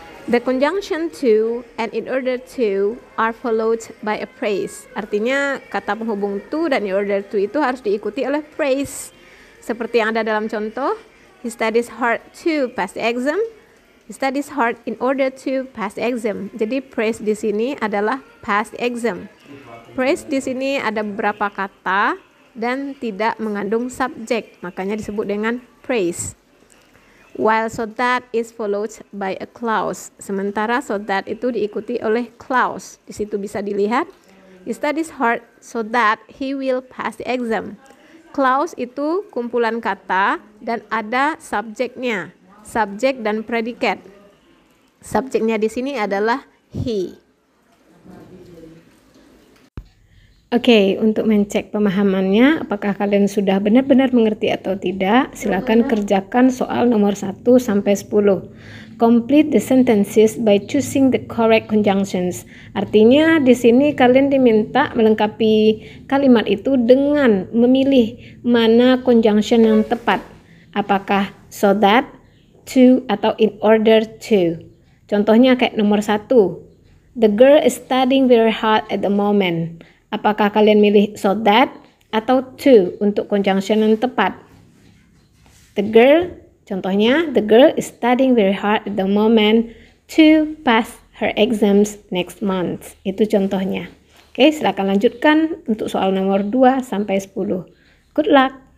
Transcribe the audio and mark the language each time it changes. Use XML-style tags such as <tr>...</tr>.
<en>The conjunction to and in order to are followed by a phrase.</en> <id>Artinya kata penghubung to dan in order to itu harus diikuti oleh phrase. Seperti yang ada dalam contoh,</id> <en>he studies hard to pass the exam. He studies hard in order to pass the exam.</en> <id>Jadi phrase di sini adalah</id> <en>pass the exam.</en> <id>Phrase di sini ada beberapa kata dan tidak mengandung subjek, makanya disebut dengan phrase.</id> <en>While so that is followed by a clause.</en> <id>Sementara so that itu diikuti oleh clause. Di situ bisa dilihat.</id> <en>He studies hard so that he will pass the exam.</en> <id>Clause itu kumpulan kata dan ada subjeknya. Subjek dan predikat. Subjeknya di sini adalah he. Okay, untuk mencek pemahamannya, apakah kalian sudah benar-benar mengerti atau tidak, silakan kerjakan soal nomor 1 sampai 10.</id> <en>Complete the sentences by choosing the correct conjunctions.</en> <id>Artinya, di sini kalian diminta melengkapi kalimat itu dengan memilih mana conjunction yang tepat. Apakah so that, to, atau in order to. Contohnya kayak nomor 1.</id> <en>The girl is studying very hard at the moment.</en> <id>Apakah kalian milih so that atau to untuk conjunction yang tepat?</id> <en>The girl,</en> <id>contohnya,</id> <en>the girl is studying very hard at the moment to pass her exams next month.</en> <id>Itu contohnya. Oke, silakan lanjutkan untuk soal nomor 2 sampai 10.</id> <en>Good luck!</en>